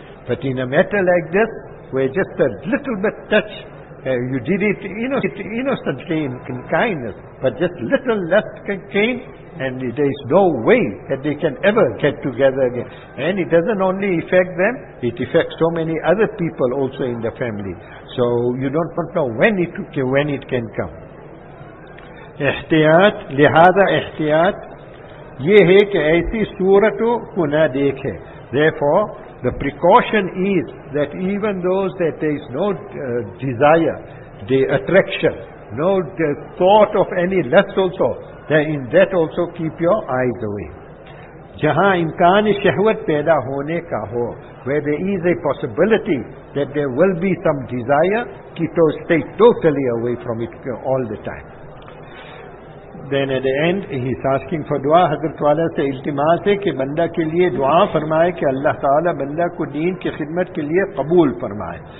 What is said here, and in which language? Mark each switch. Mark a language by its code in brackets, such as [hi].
[en] But in a matter like this, where just a little bit touch, you did it, innocently in kindness, but just little lust came, and there is no way that they can ever get together again. And it doesn't only affect them, it affects so many other people also in the family. So you don't know when it can come. [ur] احتیاط, لہذا احتیاط یہ ہے کہ ایسی صورتوں کو نہ دیکھے. [en] Therefore, the precaution is that even those that there is no desire, the attraction, no thought of any lust also, then in that also keep your eyes away. جہاں امکان شہوت پیدا ہونے کا ہو, where there is a possibility that there will be some desire, keep to stay totally away from it all the time. Then at the end, he is asking for dua. [ur] حضرت والا سے التماس ہے کہ بندہ کے لیے دعا فرمائے کہ اللہ تعالیٰ بندہ کو دین کی خدمت کے لیے قبول فرمائے.